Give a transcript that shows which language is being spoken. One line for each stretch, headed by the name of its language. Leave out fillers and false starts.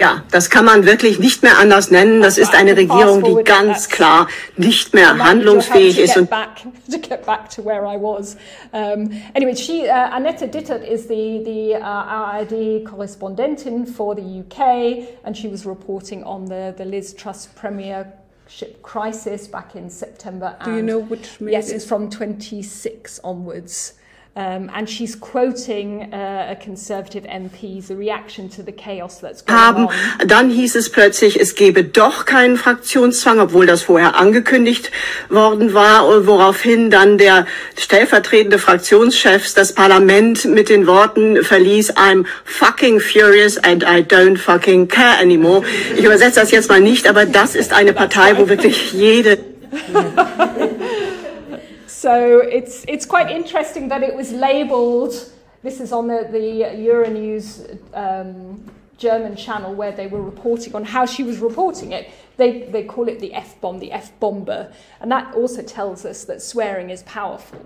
German: Das kann man wirklich nicht mehr anders nennen. Das ist eine Regierung, die ganz klar nicht mehr handlungsfähig ist.
English: To get back to where I was. Anyway, she, Annette Dittert is the ARD correspondentin for the UK, and she was reporting on the Liz Truss Premier ship crisis back in September. Do you know which maybe? Yes, it's from 26 onwards. And she's quoting a conservative MP's reaction to the chaos that's going
German: haben.
English: On.
German: Dann hieß es plötzlich, es gebe doch keinen Fraktionszwang, obwohl das vorher angekündigt worden war, woraufhin dann der stellvertretende Fraktionschef das Parlament mit den Worten verließ,
English: I'm fucking furious and I don't fucking care anymore.
German: Ich übersetze das jetzt mal nicht, aber das ist eine Partei, wo wirklich jede...
English: So it's quite interesting that it was labelled, this is on the Euronews German channel where they were reporting on how she was reporting it. They call it the F-bomb, the F-bomber. And that also tells us that swearing is powerful.